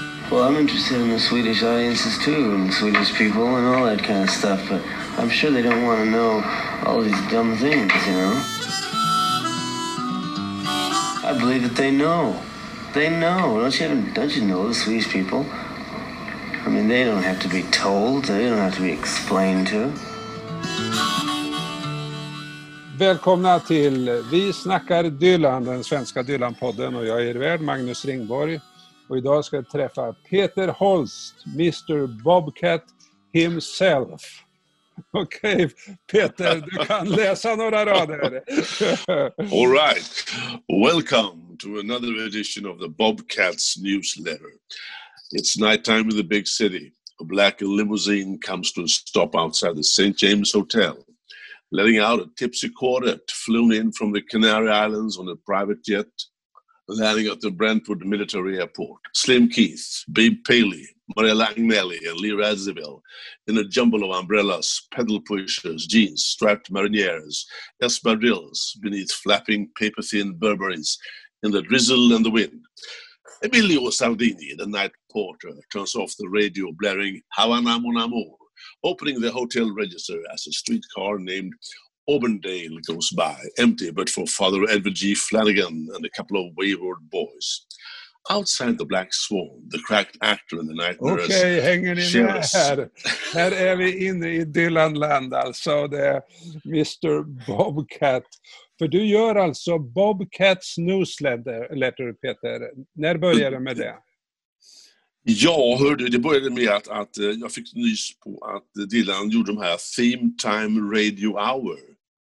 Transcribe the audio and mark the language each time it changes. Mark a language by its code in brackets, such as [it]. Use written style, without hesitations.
[en] Well, I'm interested in the Swedish audiences too, and Swedish people and all that kind of stuff, but I'm sure they don't want to know all these dumb things, you know? I believe that they know. They know. Don't you know the Swedish people? I mean, they don't have to be told. They don't have to be explained to. [sv] Välkomna till Vi snackar Dylan, den svenska Dylan-podden, och jag är värd Magnus Ringborg. Och idag ska jag träffa Peter Holst, Mr. [en] Bobcat himself. [sv] Okej, Peter, du kan läsa några rader. [en] All right. Welcome to another edition of the Bobcat's newsletter. It's nighttime in the big city. A black limousine comes to a stop outside the St. James Hotel, letting out a tipsy quartet flown in from the Canary Islands on a private jet, landing at the Brentwood Military Airport. Slim Keith, Babe Paley, Mariella Agnelli, and Lee Radziwill, in a jumble of umbrellas, pedal pushers, jeans, striped marinières, espadrilles beneath flapping paper-thin Burberrys in the drizzle and the wind. Emilio Sardini, the night porter, turns off the radio blaring Havana Mon Amour, opening the hotel register as a streetcar named Auburndale goes by, empty but for Father Edward G. Flanagan and a couple of wayward boys. Outside the Black Swan, the cracked actor in the night nurse. [sv] Okej, hänger ni med här? Här är vi inne i Dylanland, alltså. Det är Mr. Bobcat. För du gör alltså Bobcats newsletter, Peter. När börjar du med det? Ja, hörde, det började med att jag fick nys på att Dylan gjorde de här Theme Time Radio Hour.